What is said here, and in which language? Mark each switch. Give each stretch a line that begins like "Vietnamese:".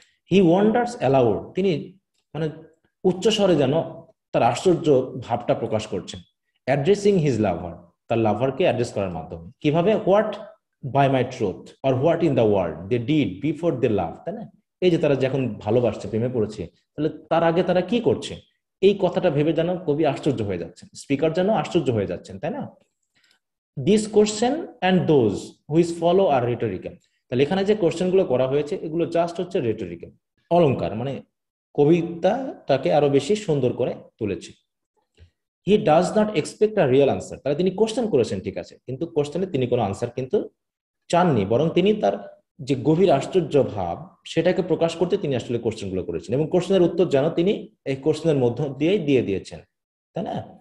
English: he wonders aloud,
Bangla: তিনি মানে উচ্চ স্বরে যেন তার আশ্চর্য ভাবটা প্রকাশ করছেন,
English: addressing his lover,
Bangla: তার লাভারকে অ্যাড্রেস করার মাধ্যমে, কিভাবে,
English: what by my truth or what in the world they did before they love,
Bangla: তাই না, এই যে তারা যখন ভালোবাসছে প্রেমে পড়েছে তাহলে তার আগে তারা কি করছে, এই কথাটা ভেবে যেন কবি আশ্চর্য হয়ে যাচ্ছেন, স্পিকার যেন আশ্চর্য হয়ে যাচ্ছেন, তাই না।
English: This question and those who is follow are rhetorical.
Bangla: তাহলে এখানে যে কোশ্চেন গুলো করা হয়েছে এগুলো জাস্ট হচ্ছে রেটোরিক্যাল, অলংকার, মানে কবিতাটাকে আরো বেশি সুন্দর করে তুলেছে।
English: he does not expect a real answer,
Bangla: তাহলে তিনি কোশ্চেন করেছেন ঠিক আছে, কিন্তু কোশ্চেনে তিনি কোনো আনসার কিন্তু চাননি, বরং তিনি তার যে গভীর আশ্চর্য ভাব সেটাকে প্রকাশ করতে তিনি আসলে কোশ্চেন গুলো করেছেন এবং কোশ্চেনের উত্তর যেন তিনি এই কোশ্চেনের মধ্য দিয়েই দিয়ে দিয়েছেন, তাই না।